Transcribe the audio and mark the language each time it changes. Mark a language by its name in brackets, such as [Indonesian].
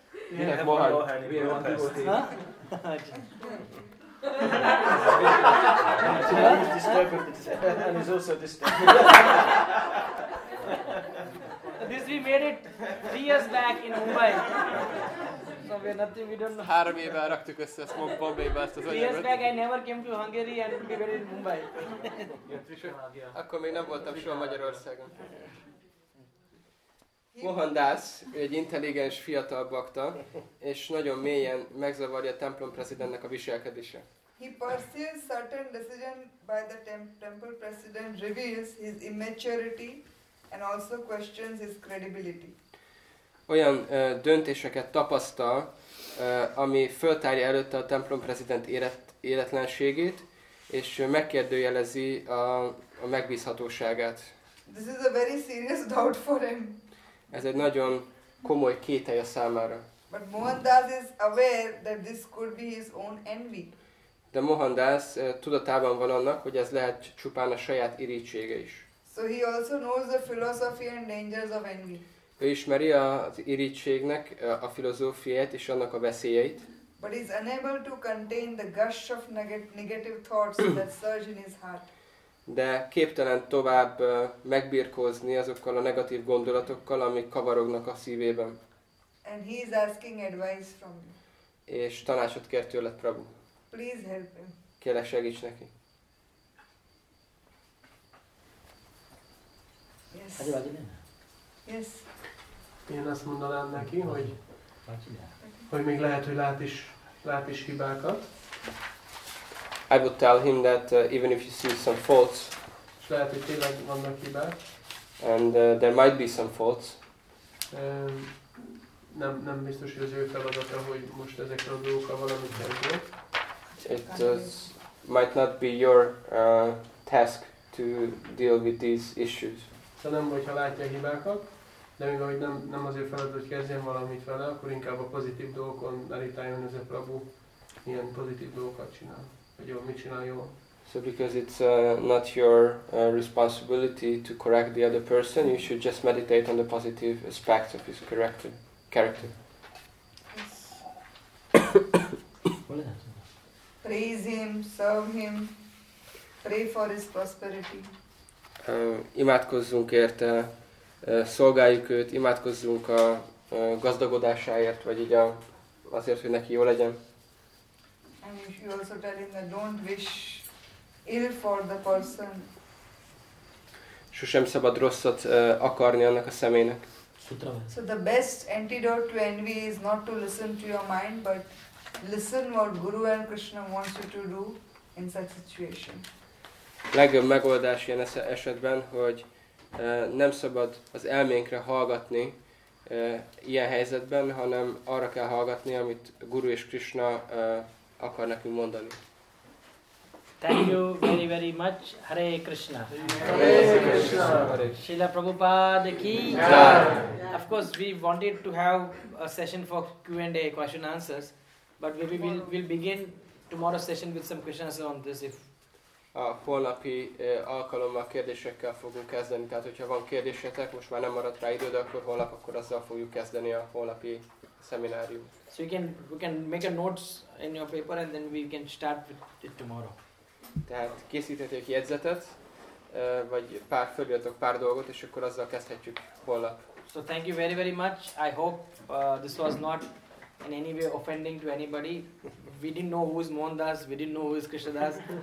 [Hungarian] Minek Mohandas? [English] We are one devotee. Ha? He is disturbed and is also disturbed. This we made it 3 years back in Mumbai. So we are nothing, we don't know. [Hungarian] 3 éve raktuk össze ezt Bombay-ba, ezt az anyagot. [English] 3 years back I never came to Hungary and we were in Mumbai. [Hungarian] Akkor még nem voltam soha Magyarországon. Mohandas, ő egy intelligens fiatal bakta, és nagyon mélyen megzavarja a templom prezidentnek a viselkedése. [English] He perceives certain decision by the temple president reveals his immaturity and also questions his credibility. [Hungarian] Olyan döntéseket tapasztal, ami föltárja előtte a templom prezident életlenségét, és megkérdőjelezi a megbízhatóságát. [English] This is a very serious doubt for him. [Hungarian] Ez egy nagyon komoly kételje számára. [English] But Mohandas is aware that this could be his own envy. [Hungarian] De Mohandas tudatában van annak, hogy ez lehet csupán a saját irítsége is. [English] So he also knows the philosophy and dangers of envy. [Hungarian] Ő ismeri az irítségnek a filozófiát és annak a veszélyeit. [English] But he is unable to contain the gush of negative thoughts that surge in his heart. [Hungarian] De képtelen tovább megbirkózni azokkal a negatív gondolatokkal, amik kavarognak a szívében. [English] And he is asking advice from me. [Hungarian] És tanácsot kér tőled, Prabhu. [English] Please help him. [Hungarian] Kérlek, segíts neki. [English] Yes. Yes. [Hungarian] Én azt mondanám neki, hogy még lehet, hogy lát is hibákat. [English] I would tell him that even if you see some faults, [Hungarian] lehet, hogy tényleg vannak hibák, [English] and there might be some faults, [Hungarian] nem biztos, hogy az ő feladata, hogy most ezekre a dolgokkal valamit kezdjük. [English] It might not be your task to deal with these issues. [Hungarian] Szóval nem, hogyha látja hibákat, de mivel hogy nem az ő feladat, hogy kezdjen valamit vele, akkor inkább a pozitív dolgokon meditáljon ez a Prabhu. ilyen pozitív dolgokat csinál, hogy jól mit csinál jól. [English] So because it's not your responsibility to correct the other person, you should just meditate on the positive aspects of his character. Praise him, serve him, pray for his prosperity. [Hungarian] Imádkozzunk érte, szolgáljuk őt, imádkozzunk a gazdagodásáért, vagy így azért, hogy neki jó legyen. [English] And you also tell him that don't wish ill for the person. [Hungarian] Sosem szabad rosszat akarni annak a személynek. [English] So the best antidote to envy is not to listen to your mind, but listen what Guru and Krishna wants you to do in such situation. [Hungarian] Legjobb megoldás ilyen esetben, hogy nem szabad az elménkre hallgatni ilyen helyzetben, hanem arra kell hallgatni, amit Guru és Krishna akar nekünk mondani. [English] Thank you very very much. Hare Krishna. Hare Krishna. Srila Prabhupada ki. Of course, we wanted to have a session for Q&A, question answers, but maybe we'll begin tomorrow's session with some questions on this. If [Hungarian] a holnapi alkalommal kérdésekkel fogunk kezdeni, tehát hogyha van kérdésetek, most már nem maradt rá idő, de akkor holnap, akkor azzal fogjuk kezdeni a holnapi szeminárium. [English] So we can make a notes in your paper and then we can start with it tomorrow. [Hungarian] Tehát készíthetek jegyzetet, vagy pár felületek pár dolgot, és akkor azzal kezdhetjük holnap. [English] So thank you very very much. I hope this was not in any way offending to anybody. We didn't know who is Mohandas, we didn't know who is Krishnadas.